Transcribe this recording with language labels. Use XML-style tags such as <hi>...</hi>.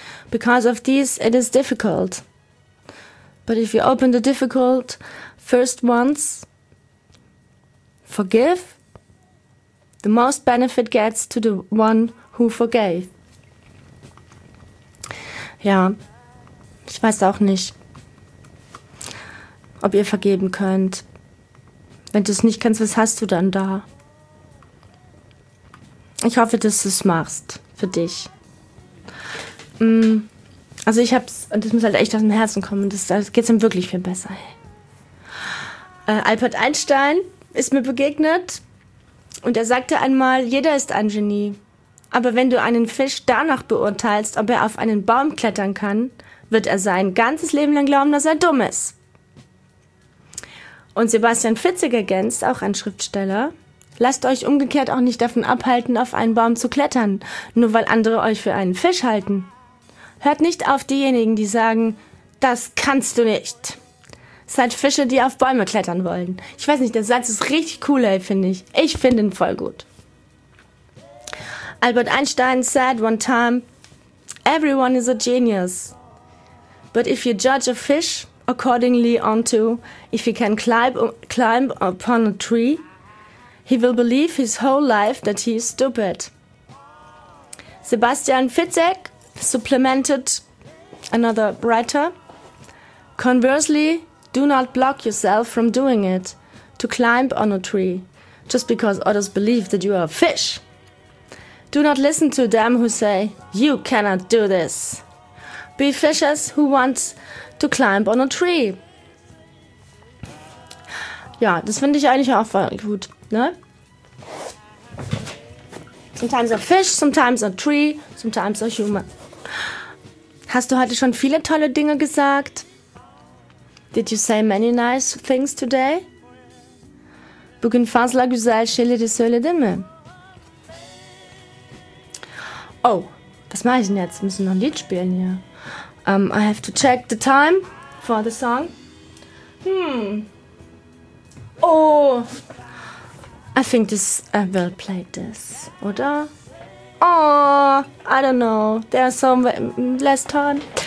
<en>Because of these, it is difficult. But if you open the difficult first ones, forgive, the most benefit gets to the one who forgave.</en> <de>Ja, ich weiß auch nicht, ob ihr vergeben könnt. Wenn du es nicht kannst, was hast du dann da? Ich hoffe, dass du es machst für dich. Also ich hab's, und das muss halt echt aus dem Herzen kommen, das geht's ihm wirklich viel besser. Albert Einstein ist mir begegnet und er sagte einmal, jeder ist ein Genie. Aber wenn du einen Fisch danach beurteilst, ob er auf einen Baum klettern kann, wird er sein ganzes Leben lang glauben, dass er dumm ist. Und Sebastian Fitzek ergänzt, auch ein Schriftsteller, lasst euch umgekehrt auch nicht davon abhalten, auf einen Baum zu klettern, nur weil andere euch für einen Fisch halten. Hört nicht auf diejenigen, die sagen, das kannst du nicht. Seid Fische, die auf Bäume klettern wollen. Ich weiß nicht, der Satz ist richtig cool, ey, finde ich. Ich finde ihn voll gut.</de> <en>Albert Einstein said one time, everyone is a genius. But if you judge a fish accordingly onto if he can climb upon a tree, he will believe his whole life that he is stupid. Sebastian Fitzek supplemented another writer. Conversely, do not block yourself from doing it, to climb on a tree, just because others believe that you are a fish. Do not listen to them who say, you cannot do this. Be fishers who want to climb on a tree.</en> <de>Ja, das finde ich eigentlich auch voll gut, ne?</de> <en>Sometimes a fish, sometimes a tree, sometimes a human.</en> <de>Hast du heute schon viele tolle Dinge gesagt?</de> <en>Did you say many nice things today?</en> <tr>Bugün fanz la güzel şeyleri söyledin mi?</tr> <de>Oh, was mache ich denn jetzt? Wir müssen noch ein Lied spielen hier.</de> <en>I have to check the time for the song. Oh, I think this, I will play this,</en> <de>oder?</de> <en>Oh, I don't know. There are some less time.</en>